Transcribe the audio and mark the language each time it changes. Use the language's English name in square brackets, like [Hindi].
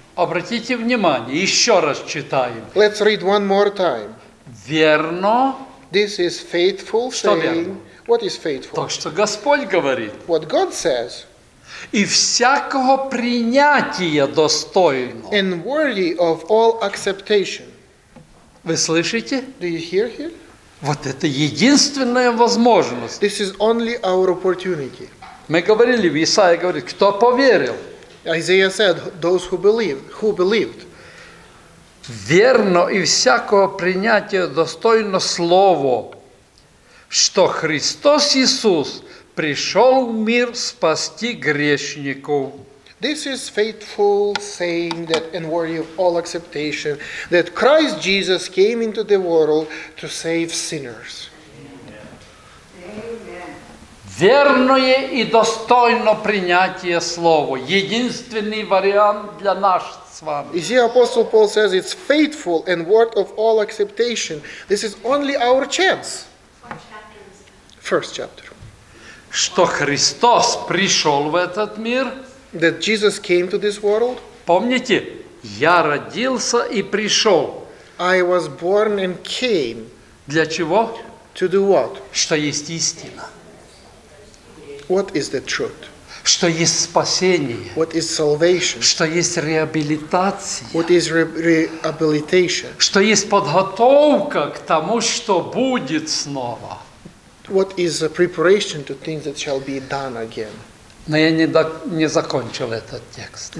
[Russian] Обратите внимание, еще раз читаем. [English] Let's read one more time. [Russian] Верно. [English] This is faithful saying. What is faithful? [Russian] То, что Господь говорит. [English] What God says. [Russian] И всякого принятия достойно. [English] And worthy of all acceptation. [Russian] Вы слышите? [English] Do you hear here? [Russian] Вот это единственная возможность. [English] This is only our opportunity. [Russian] Мы говорили, Исаия говорит, кто поверил? [English] Isaiah said, those who believed. Who believed? [Russian] Верно и всякого принятия достойно слово. Что Христос Иисус пришел в мир спасти грешников. [English] This is faithful saying that and worthy of all acceptation that Christ Jesus came into the world to save sinners. [Russian] Верное и достойно принятие слова. Единственный вариант для нас с вами. [English] You see, Apostle Paul says it's faithful and worthy of all acceptation. This is only our chance. First chapter. [Russian] Что Христос пришел в этот мир? [English] That Jesus came to this world? [Russian] Помните, я родился и пришел. [English] I was born and came. [Russian] Для чего? [English] To do what? [Russian] Что есть истина? [English] What is the truth? [Russian] Что есть спасение? [English] What is salvation? [Russian] Что есть реабилитация? [English] What is rehabilitation? [Russian] Что есть подготовка к тому, что будет снова? [English] What is a preparation to things that shall be done again? [Russian] Но я не закончил этот текст.